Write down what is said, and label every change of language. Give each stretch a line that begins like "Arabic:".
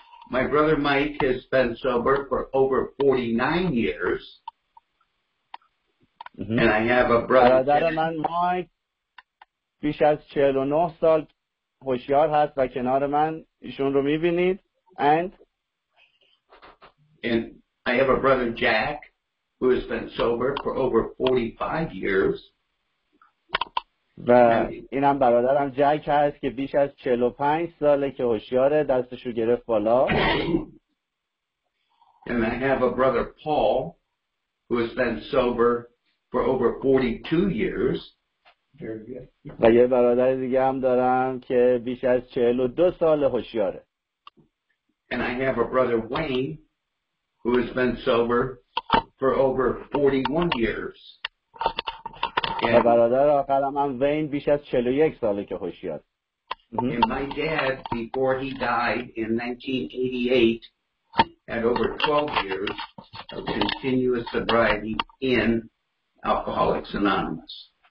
English: My brother, Mike, has been sober for over 49 years. Mm-hmm. And I have a brother.
Persian: برادر من مایک بیش از 49 سال هوشیار هست و کنار من ایشون رو میبینید.
English: And I have a brother, Jack, who has been sober for over 45 years.
Persian: و اینم برادرم جک هست که بیش از 45 ساله که هوشیاره، دستشو گرفت بالا.
English: And I have a brother, Paul, who has been sober for over 42 years.
Persian: و یه برادر دیگه هم دارم که بیش از 42 ساله هوشیاره.
English: And I have a brother, Wayne, who has been sober for over 41 years.
Persian: Yeah, برادر آخرم هم وین بیش از 41 ساله که هوشیار.
English: And my dad, before he died in 1988, had over 12 years of continuous sobriety in Alcoholics Anonymous.